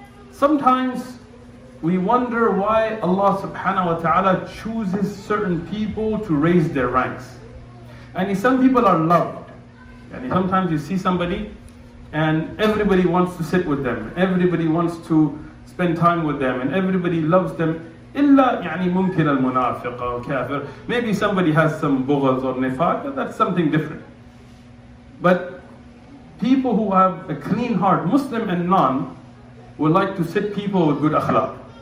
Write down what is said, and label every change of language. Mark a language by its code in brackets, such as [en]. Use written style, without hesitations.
[en] Sometimes we wonder why Allah subhanahu wa ta'ala chooses certain people to raise their ranks. And some people are loved. And sometimes you see somebody and everybody wants to sit with them, everybody wants to spend time with them, and everybody loves them. [ar] Illa يعني ممكن المنافق أو كافر. [en] Maybe somebody has some bughaz or nifaq, that's something different. But people who have a clean heart, Muslim and non, would like to sit people with good akhlaq.